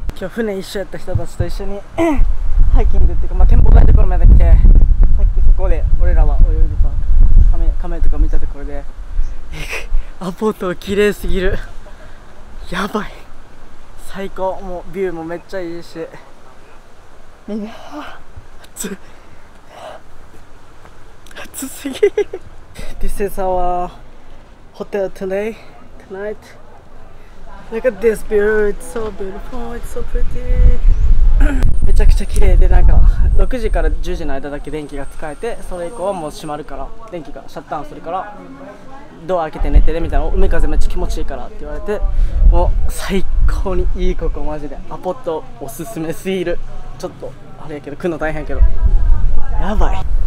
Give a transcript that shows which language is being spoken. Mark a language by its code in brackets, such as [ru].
[ja] 船一緒やった人たちと一緒にハイキングっていうか、まあ、展望台のところまで来て、さっきそこで俺らは泳いでたカメとか見たところで、アポート綺麗すぎる、やばい、最高。もうビューもめっちゃいいし、みんな暑すぎ。 [en] This is our hotel today, tonightLook at this view, it's so beautiful, it's so pretty. [ja] めちゃくちゃ綺麗で、なんか6時から10時の間だけ電気が使えて、それ以降はもう閉まるから、電気がシャットダウンするから、ドア開けて寝てねみたいな、海風めっちゃ気持ちいいからって言われて、もう最高にいい、ここマジで。アポットおすすめすぎる。ちょっとあれやけど、来るの大変やけど、やばい。